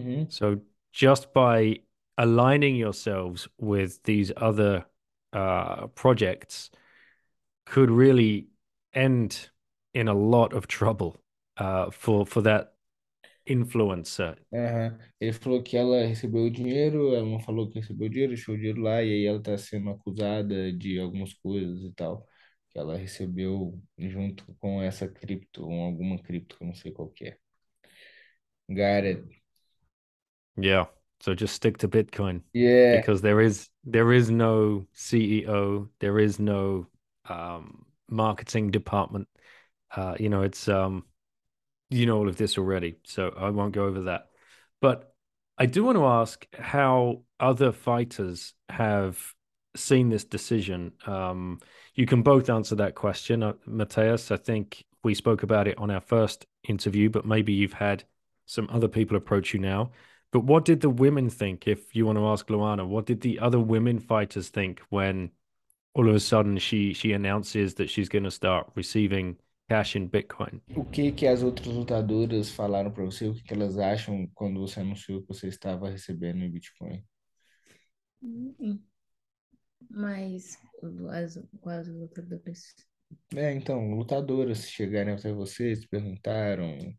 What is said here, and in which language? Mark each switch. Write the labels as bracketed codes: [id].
[en] So just by aligning yourselves with these other projects could really end in a lot of trouble for that influencer. [pt] Ele falou que ela recebeu o dinheiro, ela não falou que recebeu o dinheiro, deixou o dinheiro lá, e aí ela tá sendo acusada de algumas coisas e tal, que ela recebeu junto com essa cripto, ou alguma cripto, que eu não sei qual que é. [en] Got it. Yeah, so just stick to Bitcoin. Yeah. Because there is no CEO, there is no marketing department. You know, it's you know all of this already, so I won't go over that. But I do want to ask how other fighters have seen this decision. You can both answer that question. Mateus, I think we spoke about it on our first interview, but maybe you've had some other people approach you now. But what did the women think, if you want to ask Luana, what did the other women fighters think when all of a sudden she announces that she's going to start receiving cash in Bitcoin? [pt] O que que as outras lutadoras falaram para você? O que que elas acham quando você anunciou que você estava recebendo em Bitcoin? Mas quais lutadoras? É, então, lutadoras chegaram até você, te perguntaram.